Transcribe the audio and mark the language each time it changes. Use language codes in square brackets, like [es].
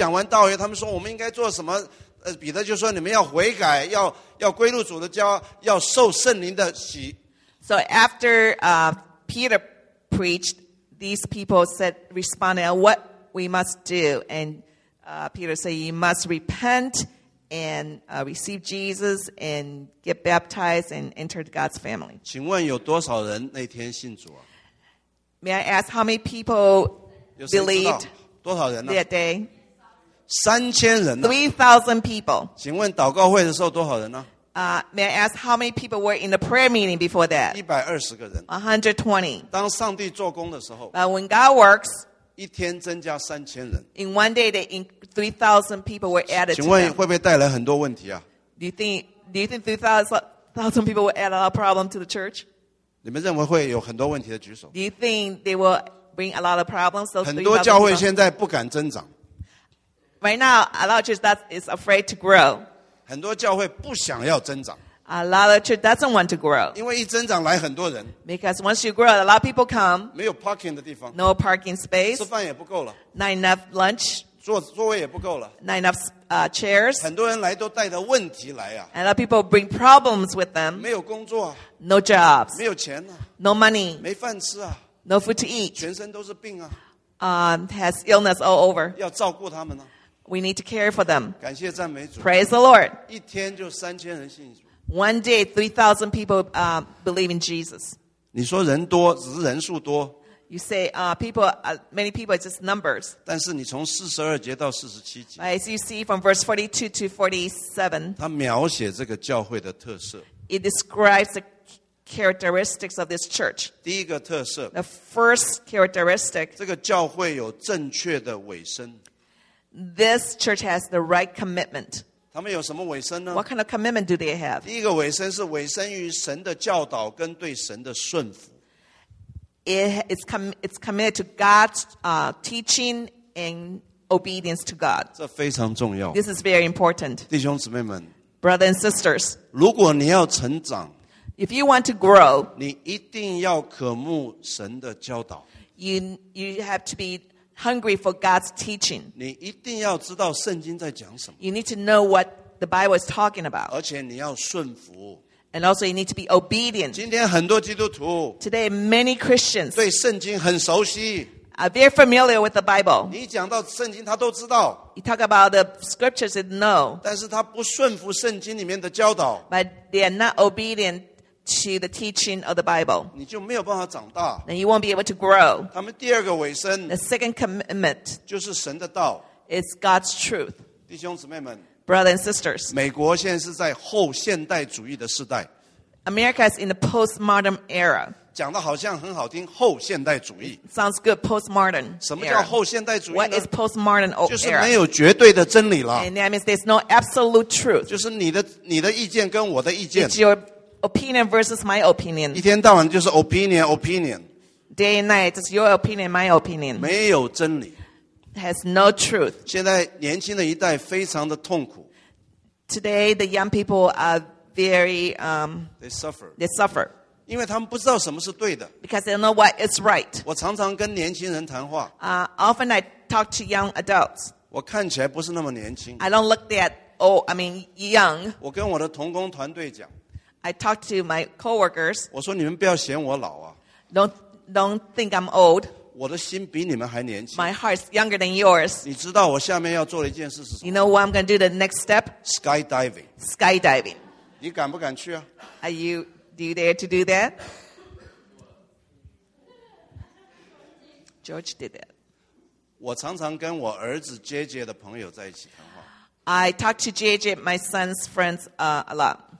[zh] 所以这个荣耀的教会就诞生。当彼得讲完道以后，他们说我们应该做什么？彼得就说你们要悔改，要归入主的家，要受圣灵的洗。 [en] So after Peter preached, these people said, responded on what we must do, and Peter said, you must repent. And receive Jesus and get baptized and enter God's family. [zh] 请问有多少人那天信主啊? [en] May I ask how many people believed [zh] 多少人啊? [en] That day? [zh] 3,000人啊? [en] 3,000 people. [zh] 请问祷告会的时候多少人呢? [en] May I ask how many people were in the prayer meeting before that? [zh] 120个人。 [en] 120. [zh] 当上帝做工的时候, [en] but when God works, [zh] 一天增加3,000人。 [en] In one day, they increase. 3,000 people were added to them. [zh] 请问会不会带来很多问题啊? [en] Do you think 3,000 people will add a lot of problem to the church? [zh] 你们认为会有很多问题的举手? [en] Do you think they will bring a lot of problems? [zh] 很多教会现在不敢增长。 [en] Right now, a lot of church that is afraid to grow. [zh] 很多教会不想要增长。 [en] A lot of church doesn't want to grow. [zh] 因为一增长来很多人。 [en] Because once you grow, a lot of people come. [zh] 没有parking的地方。 [en] No parking space. [zh] 吃饭也不够了。 [en] Not enough lunch. [zh] 座位也不够了, [en] not enough chairs. [zh] 很多人来都带着问题来啊, [en] and a lot of people bring problems with them. [zh] 没有工作啊, [en] no jobs. [zh] 没有钱啊, [en] no money. [zh] 没饭吃啊, [en] no food to eat. [zh] 全身都是病啊, [en] has illness all over. [zh] 要照顾他们啊, [en] we need to care for them. [zh] 感谢赞美主, [en] praise the Lord. [zh] 一天就3,000人信主, [en] one day, 3,000 people believe in Jesus. [zh] 你说人多只是人数多, [en] you say many people are just numbers. [zh] 但是你从42节到47节, [en] as you see from verse 42 to 47, [zh] 它描写这个教会的特色, [en] it describes the characteristics of this church. [zh] 第一个特色, [en] the first characteristic, [zh] 这个教会有正确的委身, [en] this church has the right commitment. [zh] 他们有什么委身呢? [en] What kind of commitment do they have? [zh] 第一个委身是委身于神的教导跟对神的顺服。 [en] It's committed to God's teaching and obedience to God. This is very important. [zh] 弟兄姊妹们, [en] brothers and sisters, [zh] 如果你要成长, [en] If you want to grow, [zh] 你一定要渴慕神的教导。 [en] You have to be hungry for God's teaching. [zh] 你一定要知道圣经在讲什么。 [en] You need to know what the Bible is talking about. [zh] 而且你要顺服。 [en] And also you need to be obedient. [zh] 今天很多基督徒 [en] Today many Christians [zh] 对圣经很熟悉 [en] are very familiar with the Bible. [zh] 你讲到圣经他都知道。 [en] You talk about the scriptures, they know. [zh] 但是他不顺服圣经里面的教导。 [en] But they are not obedient to the teaching of the Bible. [zh] 你就没有办法长大。 [en] Then you won't be able to grow. [zh] 他们第二个委身 [en] The second commitment [zh] 就是神的道。 [en] It's God's truth. [zh] 弟兄姊妹们 [en] Brothers and sisters, [zh] 美国现在是在后现代主义的时代。 [en] America is in the postmodern era. [zh] 讲得好像很好听，后现代主义。 [en] Sounds good, postmodern. [zh] 什么叫后现代主义呢 [en] ？What is postmodern era? [zh] 就是没有绝对的真理了。 [en] And that means there's no absolute truth. [zh] 就是你的意见跟我的意见。 [en] It's your opinion versus my opinion. [zh] 一天到晚就是 [en] opinion, opinion. Day and night, it's your opinion, my opinion. [zh] 没有真理。 [en] Has no truth. [zh] 现在年轻的一代非常的痛苦。 [en] Today, the young people are very, They suffer. [zh] 因为他们不知道什么是对的。 [en] Because they don't know what is right. [zh] 我常常跟年轻人谈话。 [en] Often I talk to young adults. [zh] 我看起来不是那么年轻。 [en] I don't look that old, I mean, young. [zh] 我跟我的同工团队讲。 [en] I talk to my coworkers. [zh] 我说你们不要嫌我老啊。 [en] Don't think I'm old. [zh] 我的心比你们还年轻。 [en] My heart's younger than yours. [zh] 你知道我下面要做的一件事是什么 [en] ？You know what I'm going to do the next step? Skydiving. Skydiving. [zh] 你敢不敢去啊 [en] ？Are you? Do you dare to do that? George did that. [zh] 我常常跟我儿子 JJ 的朋友在一起谈话。 [en] I talk to JJ, my son's friends, a lot.